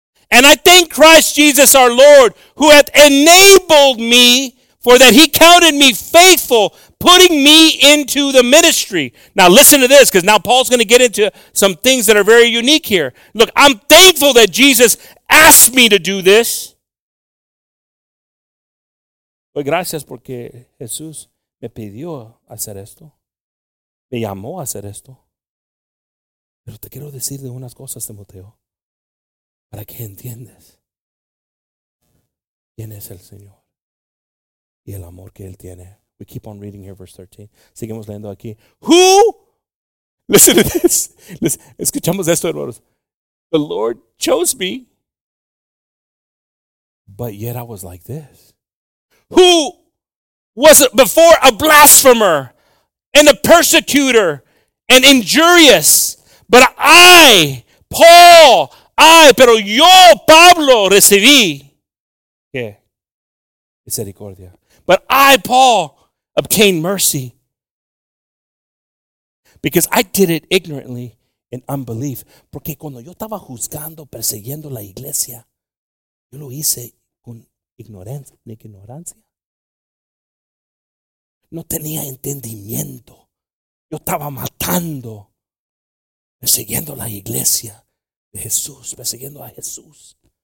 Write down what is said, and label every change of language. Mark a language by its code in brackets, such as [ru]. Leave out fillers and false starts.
[en] And I thank Christ Jesus our Lord, who hath enabled me, for that he counted me faithful, putting me into the ministry. Now listen to this, because now Paul's going to get into some things that are very unique here. Look, I'm thankful that Jesus asked me to do this. [es] Pues gracias porque Jesús me pidió hacer esto. Me llamó a hacer esto. Pero te quiero decir de unas cosas, Timoteo, para que entiendas quién es el Señor y el amor que Él tiene. [en] We keep on reading here, verse 13. [es] Seguimos leyendo aquí. [en] Who? Listen to this. Listen. [es] Escuchamos esto, hermanos. [en] The Lord chose me, but yet I was like this. Who was before a blasphemer and a persecutor and injurious, but I, Pablo, [es] recibí misericordia. [en] But I, Paul, obtained mercy because I did it ignorantly in unbelief. [es] Porque cuando yo estaba juzgando, persiguiendo la iglesia, yo lo hice con ignorancia. No tenía entendimiento. Yo estaba matando, persiguiendo la iglesia de Jesús, persiguiendo a Jesús.